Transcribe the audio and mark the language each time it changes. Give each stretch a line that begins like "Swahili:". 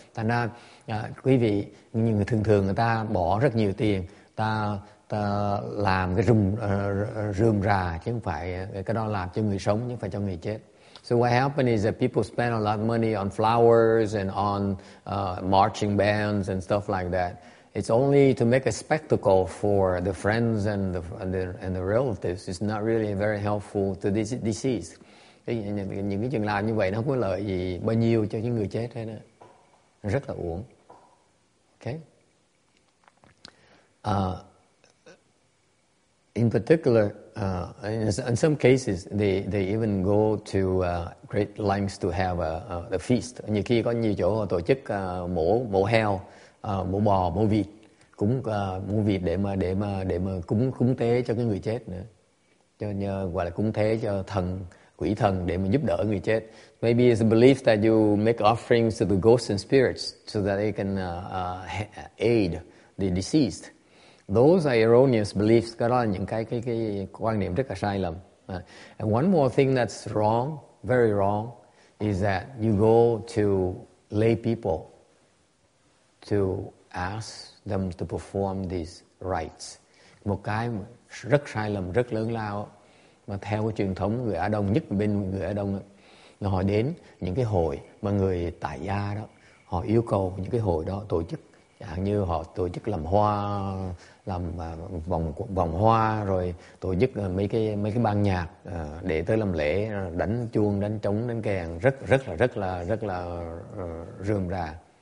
Vietnamese: Thành ra quý vị, những người thường thường người ta bỏ rất nhiều tiền ta làm cái rườm rà chứ không phải cái đó làm cho người sống nhưng phải cho người chết.
English: So what happened is that people spend a lot of money on flowers and on marching bands and stuff like that. It's only to make a spectacle for the friends and the relatives. It's not really very helpful to the deceased.
Vietnamese: Những cái chuyện làm như vậy nó không có lợi gì bao nhiêu cho những người chết hết á. Rất là uổng. Okay.
English: In particular, in some cases, they even go to great lengths to have a feast.
Vietnamese: Nhiều khi có nhiều chỗ tổ chức mổ heo, mổ bò, mổ vịt, cúng mổ vịt để mà cúng tế cho cái người chết nữa, cho như gọi là cúng tế cho thần quỷ thần để mà giúp đỡ người chết.
English: Maybe it's a belief that you make offerings to the ghosts and spirits so that they can aid the deceased. Those are erroneous beliefs.
Vietnamese: Cái đó là những cái quan niệm rất là sai lầm.
English: And one more thing that's wrong, very wrong, is that you go to lay people to ask them to perform these rites.
Vietnamese: Một cái rất sai lầm, rất lớn lao mà theo cái truyền thống người Á Đông, nhất bên người Á Đông, họ đến những cái hội mà người tại gia đó, họ yêu cầu những cái hội đó tổ chức chẳng như họ tổ chức làm hoa, làm vòng vòng hoa, rồi tổ chức mấy cái ban nhạc để tới làm lễ, đánh chuông, đánh trống, đánh kèn, rất là rườm rà.